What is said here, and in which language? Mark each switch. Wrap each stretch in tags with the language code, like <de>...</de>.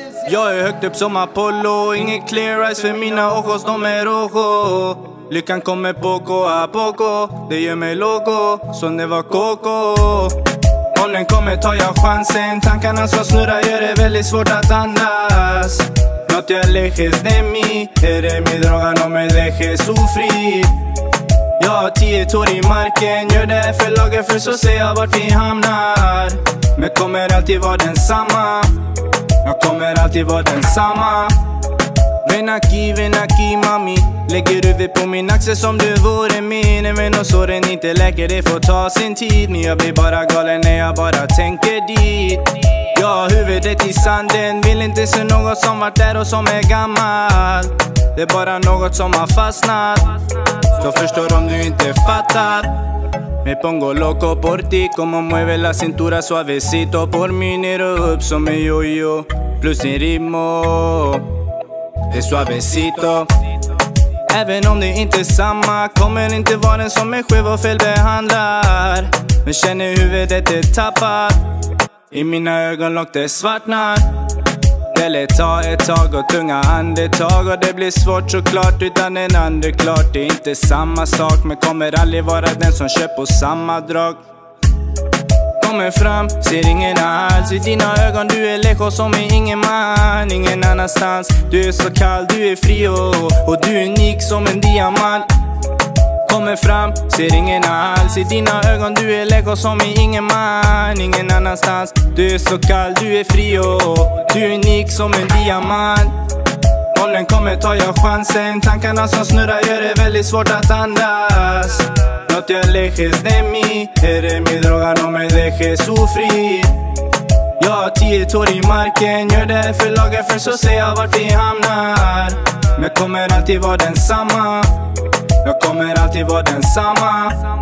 <sv>Yo är högt upp som Apollo, inget</sv> <en>clear eyes</en> <sv>för mina ojos, de är rojo. Lyckan kommer</sv> <es>poco a poco,</es> <sv>det gör mig loco, som det var coco. Om den kommer tar jag chansen, tankarna som snurrar gör det väldigt svårt att andas.</sv> <es>No te alejes de mí, eres mi droga, no me dejes sufrir.</es> <sv>Jag har 10 tår i marken, gör det för laget för så ser jag vart vi hamnar. Men kommer alltid vara densamma, jag kommer alltid vara densamma.</sv> <es>Ven aquí mami.</es> <sv>Lägger huvudet på min axel som du vore min. Även om såren inte läker, det får ta sin tid. Men jag blir bara galen när jag bara tänker dit. Jag har huvudet i sanden, vill inte se något som varit där och som är gammal. Det är bara något som har fastnat. Så förstår om du inte fattar.</sv> <es>Me pongo loco por ti, como mueve la cintura suavecito por mi nero up</es> <sv>som en yo-yo. Plus din ritmo, det är suavecito. Även om det inte är samma, kommer inte vara den som är skev och felbehandlar. Men känner huvudet är tappat, i mina ögonlock det svartnar. Det lär ta ett tag och tunga andetag, och det blir svårt såklart utan en ande klart. Det är inte samma sak, men kommer aldrig vara den som kör på samma drag. Kommer fram, ser ingen alls i dina ögon, du är lejo som är ingen man. Ingen annanstans, du är så kall, du är fri och du är unik som en diamant. Kommer fram, ser ingen alls i dina ögon, du är lejo som är ingen man. Ingen annanstans, du är så kall, du är fri och du är unik som en diamant. Om den kommer tar jag chansen, tankarna som snurrar gör det väldigt svårt att andas.</sv> <es>No te alejes de mí, eres mi droga, no me dejes sufrir.</es> <sv>Jag har 10 tår i marken, gör det för laget för så ser jag vart vi hamnar. Men kommer alltid vara densamma, jag kommer alltid vara densamma.</sv>